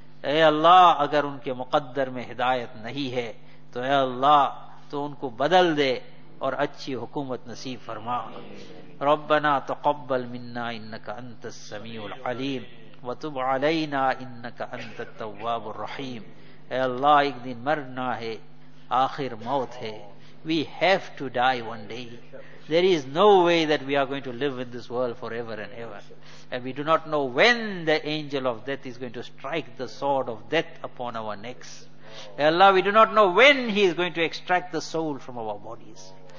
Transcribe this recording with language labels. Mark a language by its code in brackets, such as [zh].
[ur] اے اللہ, اگر ان کے مقدر میں ہدایت نہیں ہے تو اے اللہ, تو ان کو بدل دے اور اچھی حکومت نصیب فرما. [ar] ربنا تقبل منا انك انت السميع العليم وَتُبْ عَلَيْنَا إِنَّكَ أَنْتَ التَّوَّابُ الرَّحِيمُ. [ur] اے اللہ, ایک دن مرنا ہے, آخر موت ہے. [en] We have to die one day. There is no way that we are going to live in this world forever and ever. And we do not know when the angel of death is going to strike the sword of death upon our necks. [ur] A Allah, [en] we do not know when he is going to extract the soul from our bodies.